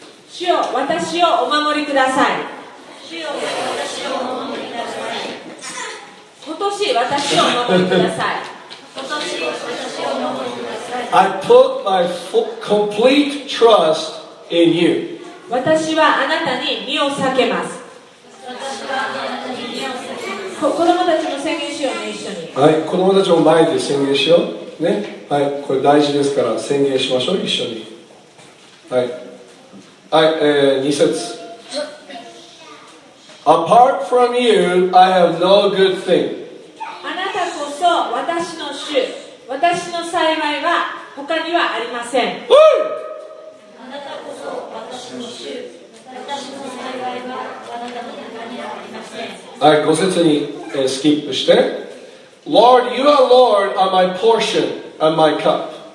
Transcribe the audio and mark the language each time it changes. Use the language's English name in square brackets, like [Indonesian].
[Japanese] 主よ、私をお守りください。主よ、私をお守りください。今年私をお守りください。 [English] I put my full, complete trust in you. [Japanese] 私はあなたに身を避けます。子供たちも宣言しようね、一緒に。はい、子供たちも前で宣言しよう。ね。はい、これ大事ですから宣言しましょう、一緒に。はい。はい、2節。 [English] Apart from you, I have no good thing. [Japanese] あなたこそ私の主、私の幸いは他にはありません。あなたこそ私の主、私の幸いはあなたの他にはありません。はい、ご説に、スキップして [English] Lord, you are Lord on my portion and my cup.